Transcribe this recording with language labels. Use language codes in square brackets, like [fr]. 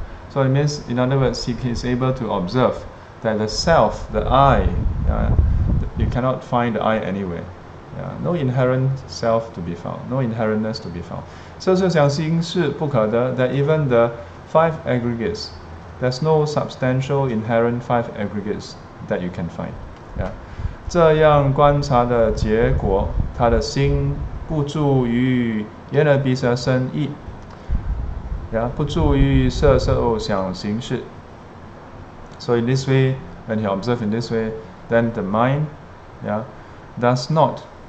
[en] So it means, in other words, he is able to observe that the self, the I, you cannot find the I anywhere. No inherent self to be found, no inherentness to be found. [zh] 色受想行识不可得, [en] that even the five aggregates, there's no substantial inherent five aggregates that you can find. [zh] 这样观察的结果, 他的心不住于眼耳鼻舌身意, 不住于色受想行识. [en] So in this way, when he observes in this way, then the mind, does not.